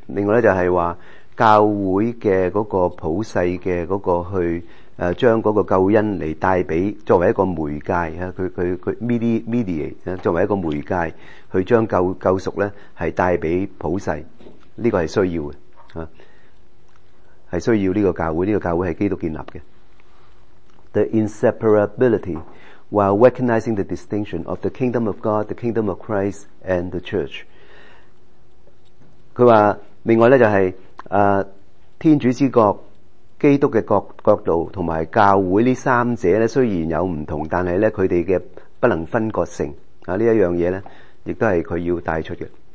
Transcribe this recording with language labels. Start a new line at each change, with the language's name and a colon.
Chinese: 另外就是说教会的那个普世的那个去将那个救恩来带给作为一个媒介，他 mediate 作为一个媒介去将救赎呢是带给普世，这个是需要的，是需要这个教会，这个教会是基督建立的。
English: The inseparabilityWhile recognizing the distinction of the kingdom of God, the kingdom of Christ, and the church.
Chinese: 他说另外就是天主之国、基督的国度和教会这三者呢虽然有不同，但是呢他们的不能分割性，这一样东西呢也是他要带出的。